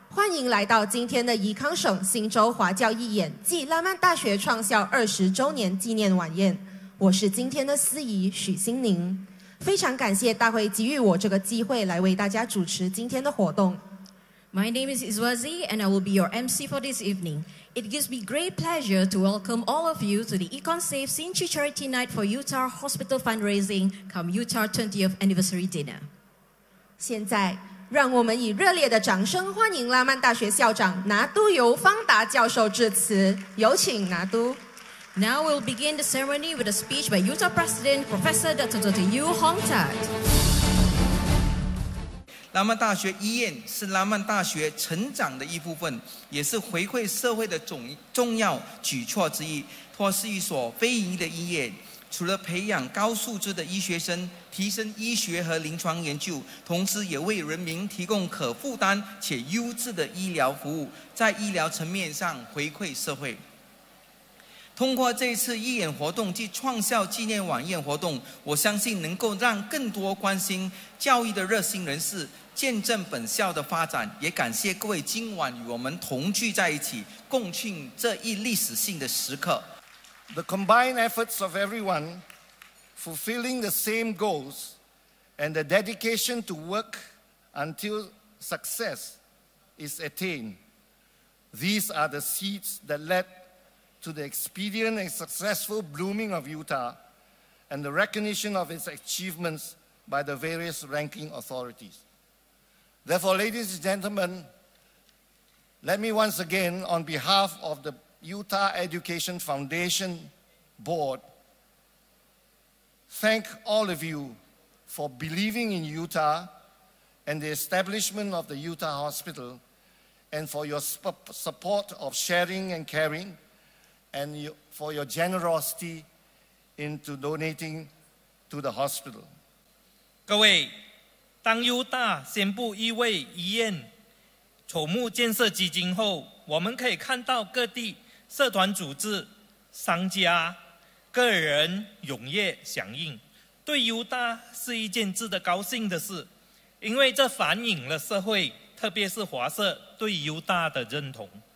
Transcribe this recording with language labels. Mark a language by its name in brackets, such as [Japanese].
[Chinese] 欢迎来到今天的宜康省新州华教义演暨拉曼大学创校20周年纪念晚宴。我是今天的司仪许心宁，非常感谢大会给予我这个机会来为大家主持今天的活动。 [English] My name is Iswazi and I will be your MC for this evening. It gives me great pleasure to welcome all of you to the EconSafe Sinchi Charity Night for Utah Hospital Fundraising come Utah 20th Anniversary Dinner. [Chinese] 现在让我们以热烈的掌声欢迎拉曼大学校长拿督尤芳达教授致辞，有请拿督。 [English] Now we'll begin the ceremony with a speech by Utah President Professor Dr. Yu Hongtat. [Chinese] 拉曼大学医院是拉曼大学成长的一部分，也是回馈社会的重要举措之一。它是一所非盈利的医院，除了培养高素质的医学生，提升医学和临床研究，同时也为人民提供可负担且优质的医疗服务，在医疗层面上回馈社会。通过这次义演活动及创校纪念晚宴活动，我相信能够让更多关心教育的热心人士见证本校的发展，也感谢各位今晚与我们同聚在一起，共庆这一历史性的时刻。 [English] The combined efforts of everyone fulfilling the same goals and the dedication to work until success is attained. These are the seeds that led to the expedient and successful blooming of Utah and the recognition of its achievements by the various ranking authorities. Therefore, ladies and gentlemen, let me once again, on behalf of the Utah Education Foundation Board, thank all of you for believing in Utah and the establishment of the Utah Hospital and for your support of sharing and caring and for your generosity into donating to the hospital. [Chinese] 各位，当 Utah 宣布一位医院筹募建设基金后，我们可以看到各地社团组织、商家、个人踊跃响应，对 Utah 是一件值得高兴的事，因为这反映了社会，特别是华社对 Utah 的认同。